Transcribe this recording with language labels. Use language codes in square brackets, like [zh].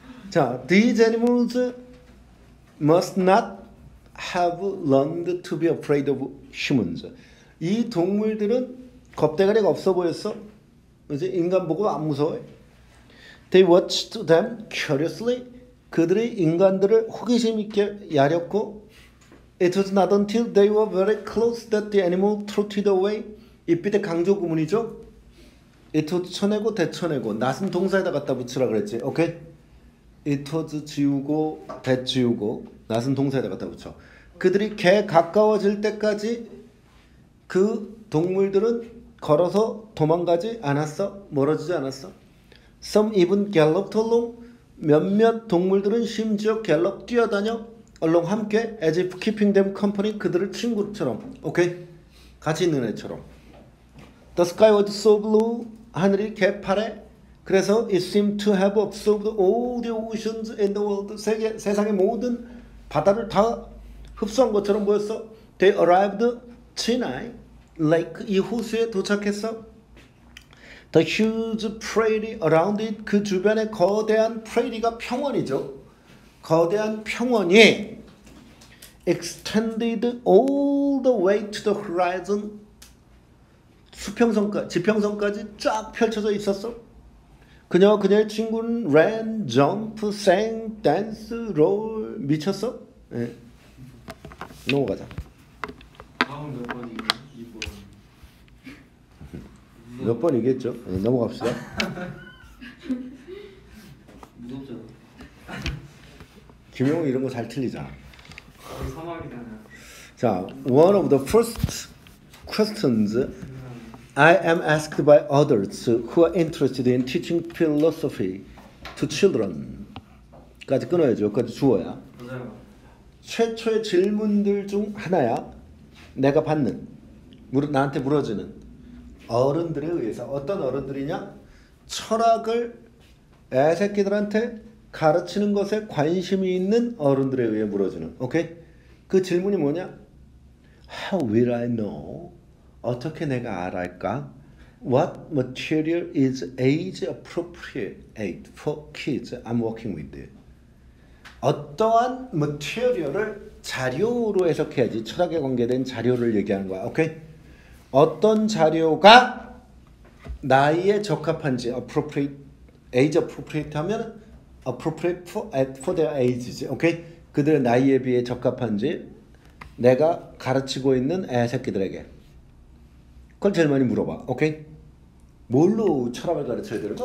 [en] 자, these animals must not have learned to be afraid of humans. [ko] 이 동물들은 겁대가리가 없어 보였어. 이제 인간 보고 안 무서워해. [en] They watched them curiously. [ko] 그들이 인간들을 호기심 있게 야렸고. [en] It was not until they were very close that the animal trotted away. [ko] 이빛의 강조 구문이죠. [en] It was [ko] 쳐내고 대쳐내고. 낫은 동사에다 갖다 붙이라 그랬지. 오케이. [en] It was [ko] 지우고 대지우고 낫은 동사에다 갖다 붙여. 그들이 개 가까워질 때까지 그 동물들은 걸어서 도망가지 않았어. 멀어지지 않았어. [en] Some even galloped along. [ko] 몇몇 동물들은 심지어 갤럽 뛰어다녀. Along 함께, [en] as if keeping them company, [ko] 그들을 친구처럼, 오케이, 같이 있는 애처럼. [en] The sky was so blue, [ko] 하늘이 개파래. 그래서 [en] it seemed to have absorbed all the oceans in the world. [ko] 세상의 모든 바다를 다 흡수한 것처럼 보였어. [en] They arrived at Chinai Lake, [ko] 이 호수에 도착했어. [en] The huge prairie around it, [ko] 그 주변의 거대한 [en] prairie가 [ko] 평원이죠. 거대한 평원이 [en] extended all the way to the horizon, [ko] 수평선까지, 지평선까지 쫙 펼쳐져 있었어. 그녀와 그녀의 친구는 [en] ran, jump, sang, dance, roll, [ko] 미쳤어. 네. 넘어가자. 다음 몇 번이고 2번. 몇 번이겠죠? 네, 넘어갑시다. 무섭잖아. 김용우 이런 거 잘 틀리잖아. 사막이잖아. [en] 자, one of the first questions I am asked by adults who are interested in teaching philosophy to children. [ko] 까지 끊어야죠. 여기까지 주어야. 맞아요. 최초의 질문들 중 하나야. 내가 받는, 나한테 물어지는 어른들에 의해서. 어떤 어른들이냐? 철학을 애새끼들한테 가르치는 것에 관심이 있는 어른들에 의해 물어주는. 오케이? 그 질문이 뭐냐? [en] How will I know? [ko] 어떻게 내가 알까? [en] What material is age appropriate for kids I'm working with? [ko] 어떠한 material을 자료로 해석해야지. 철학에 관계된 자료를 얘기하는 거야. 오케이? 어떤 자료가 나이에 적합한지. [en] Appropriate, age appropriate 하면 appropriate for their ages, okay? [ko] 그들의 나이에 비해 적합한지 내가 가르치고 있는 애새끼들에게 그걸 제일 많이 물어봐, okay? 뭘로 철학을 가르쳐야 되는가?